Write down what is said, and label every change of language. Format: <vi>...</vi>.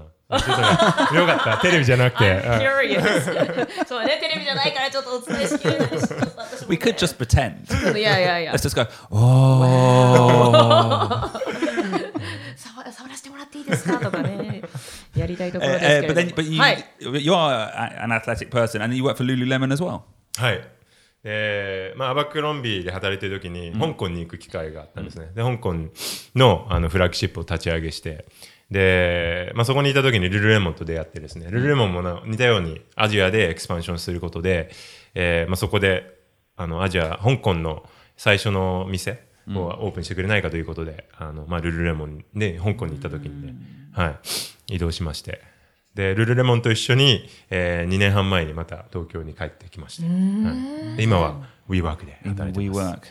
<ja>よかった、テレビじゃなくて。</ja> <en>I'm curious.</en> <ja>そうね、テレビじゃないからちょっとお伝えしきれないし。私も、ね、</ja> <en>We could just pretend.</en> <ja>いやいやいや。</ja> <en>Let's just go, oh.</en> <ja>触らせてもらっていいですかとかね。やりたいところですけど。</ja> <en>But then, but you,、はい、you are an athletic person and you work for Lululemon as well.</en> <ja>はい。まあ、アバクロンビーで働いてる時に、うん、香港に行く機会があったんですね。うん、で、香港 の, フラッグシップを立ち上げして、で、まあ、そこにいた時にルルレモンと出会ってですね、ルルレモンも似たようにアジアでエクスパンションすることで、まあ、そこでアジア、香港の最初の店をオープンしてくれないかということで、うん、まあ、ルルレモンで香港に行った時に、ね、はい、移動しまして、でルルレモンと一緒に、2年半前にまた東京に帰ってきました、はい、今は WeWork で働いてます。</ja>